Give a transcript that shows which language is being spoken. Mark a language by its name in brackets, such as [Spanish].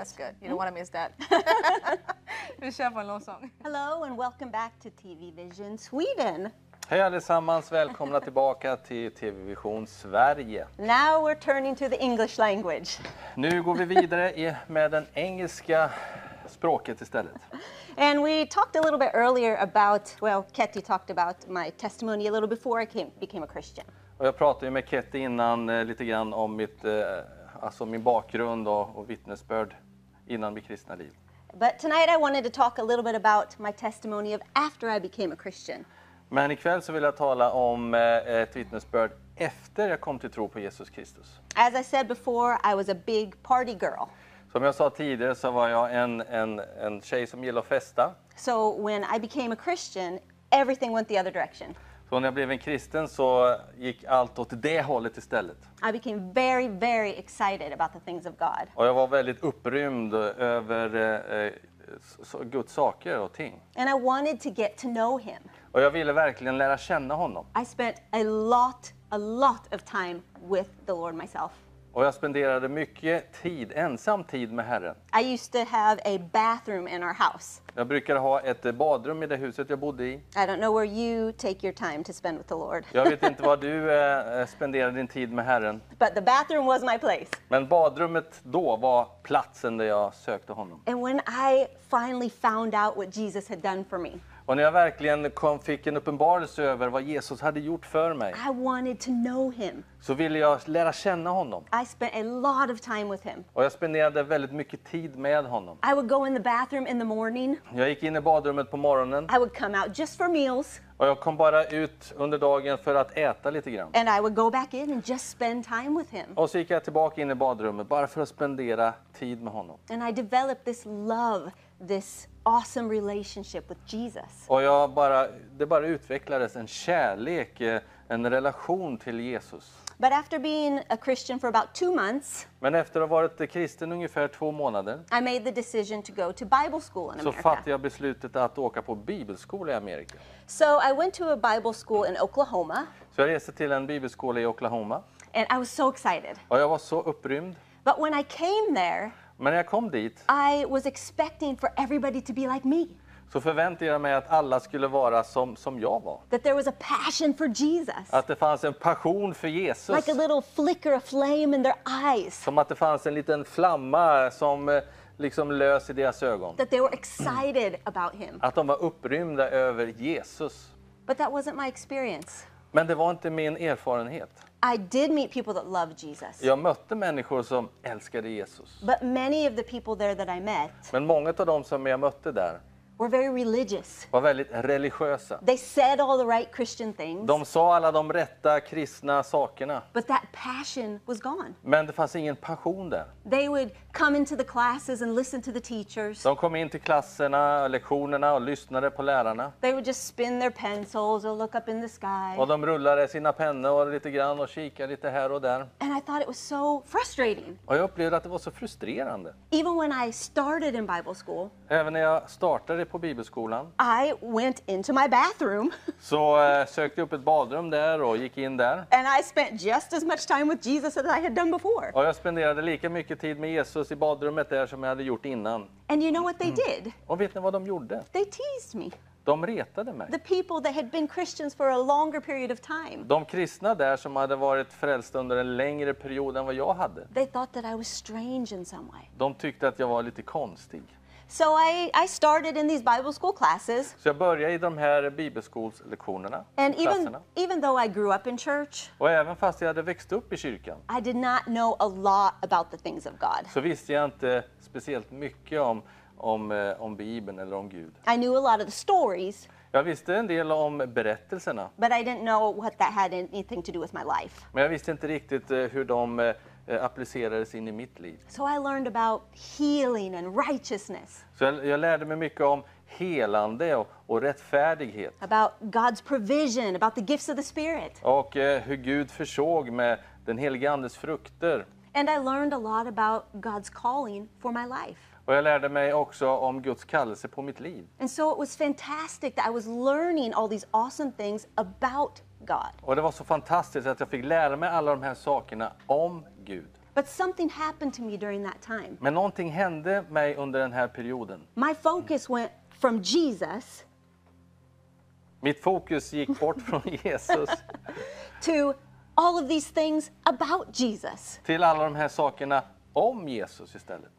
[English] That's good. You don't want to miss that. [Swedish] Vi kör på en lovsång. [English] Hello and welcome back to TV Vision Sweden. [Swedish] Hej allesammans, välkomna tillbaka till TV Vision Sverige. [English] Now we're turning to the English language. [Swedish] Nu går vi vidare med den engelska språket istället. [English] And we talked a little bit earlier about, well, Ketty talked about my testimony a little before I became a Christian. [Swedish] Och jag pratade ju med Ketty innan lite grann om mitt, alltså min bakgrund och vittnesbörd innan mitt kristna liv. [English] But tonight I wanted to talk a little bit about my testimony of after I became a Christian. [Swedish] Men ikväll så vill jag tala om ett vittnesbörd efter jag kom till tro på Jesus Kristus. [English] As I said before, I was a big party girl. [Swedish] Som jag sa tidigare så var jag en tjej som gillade att festa. [English] So when I became a Christian, everything went the other direction. [Swedish] Så när jag blev en kristen så gick allt åt det hållet istället. [English] I became very, very excited about the things of God. [Swedish] Och jag var väldigt upprymd över Guds saker och ting. [English] And I wanted to get to know him. [Swedish] Och jag ville verkligen lära känna honom. [English] I spent a lot of time with the Lord myself. [Swedish] Och jag spenderade mycket tid, ensam tid med Herren. [English] I used to have a bathroom in our house. [Swedish] Jag brukade ha ett badrum i det huset jag bodde i. [English] I don't know where you take your time to spend with the Lord. [Swedish] Jag vet inte var du spenderade din tid med Herren. [English] But the bathroom was my place. [Swedish] Men badrummet då var platsen där jag sökte honom. [English] And when I finally found out what Jesus had done for me. [Swedish] Och när jag verkligen fick en uppenbarelse över vad Jesus hade gjort för mig. [English] I wanted to know him. [Swedish] Så ville jag lära känna honom. [English] I spent a lot of time with him. [Swedish] Och jag spenderade väldigt mycket tid med honom. [English] I would go in the bathroom in the morning. [Swedish] Jag gick in i badrummet på morgonen. [English] I would come out just for meals. [Swedish] Och jag kom bara ut under dagen för att äta lite grann. [English] And I would go back in and just spend time with him. [Swedish] Och så gick jag tillbaka in i badrummet bara för att spendera tid med honom. [English] And I developed this love, this awesome relationship with Jesus. [Swedish] Och jag bara, det bara utvecklades en kärlek, en relation till Jesus. [English] But after being a Christian for about 2 months. [Swedish] Men efter att ha varit kristen ungefär 2 månader. [English] I made the decision to go to Bible school in America. [Swedish] Så fattade jag beslutet att åka på bibelskola i Amerika. [English] So I went to a Bible school in Oklahoma. [Swedish] Så jag reste till en bibelskola i Oklahoma. [English] And I was so excited. [Swedish] Och jag var så upprymd. [English] But when I came there. [Swedish] Men när jag kom dit, [English] I was expecting for everybody to be like me. [Swedish] Så förväntade jag mig att alla skulle vara som jag var. [English] That there was a passion for Jesus. [Swedish] Att det fanns en passion för Jesus. [English] Like a little flicker of flame in their eyes. [Swedish] Som att det fanns en liten flamma som liksom lös i deras ögon. [English] That they were excited about him. [Swedish] Att de var upprymda över Jesus. [English] But that wasn't my experience. [Swedish] Men det var inte min erfarenhet. [English] I did meet people that loved Jesus. [Swedish] Jag mötte människor som älskade Jesus. [English] But many of the people there that I met. [Swedish] Men många av dem som jag mötte där. [English] Were very religious. [Swedish] Var väldigt religiösa. [English] They said all the right Christian things. [Swedish] De sa alla de rätta kristna sakerna. [English] But that passion was gone. [Swedish] Men det fanns ingen passion där. [English] They would come into the classes and listen to the teachers. [Swedish] De kom in till klasserna, lektionerna och lyssnade på lärarna. [English] They would just spin their pencils or look up in the sky. [Swedish] Och de rullade sina pennor och lite grann och kikade lite här och där. [English] And I thought it was so frustrating. [Swedish] Och jag upplevde att det var så frustrerande. [English] Even when I started in Bible school. [Swedish] Även när jag startade på bibelskolan. [English] I went into my bathroom. [Swedish] Så sökte upp ett badrum där och gick in där. [English] And I spent just as much time with Jesus as I had done before. [Swedish] Och jag spenderade lika mycket tid med Jesus i badrummet där som jag hade gjort innan. [English] And you know what they did? [Swedish] Och vet ni vad de gjorde? [English] They teased me. [Swedish] De retade mig. [English] The people that had been Christians for a longer period of time. [Swedish] De kristna där som hade varit frälsta under en längre period än vad jag hade. [English] They thought that I was strange in some way. [Swedish] De tyckte att jag var lite konstig. [English] So I started in these Bible school classes. [Swedish] Så jag började I de här bibelskolslektionerna. [English] And even though I grew up in church. [Swedish] Och även fast jag hade växt upp I kyrkan. [English] I did not know a lot about the things of God. [Swedish] Så visste jag inte speciellt mycket om Bibeln eller om Gud. [English] I knew a lot of the stories. [Swedish] Jag visste en del om berättelserna. [English] But I didn't know what that had anything to do with my life. [Swedish] Men jag visste inte riktigt hur de applicerades in I mitt liv. [English] So I learned about healing and righteousness. [Swedish] Så jag lärde mig mycket om helande och rättfärdighet. [English] About God's provision, about the gifts of the Spirit. [Swedish] Och hur Gud försåg med den helige andes frukter. [English] And I learned a lot about God's calling for my life. [Swedish] Och jag lärde mig också om Guds kallelse på mitt liv. [English] And so it was fantastic that I was learning all these awesome things about God. [Swedish] Och det var så fantastiskt att jag fick lära mig alla de här sakerna om Gud. [English] But something happened to me during that time. [Swedish] Men någonting hände mig under den här perioden. [English] My focus went from Jesus. [Swedish] Mitt fokus gick bort från Jesus. [English] To all of these things about Jesus. [Swedish] Till alla de här sakerna om Jesus istället.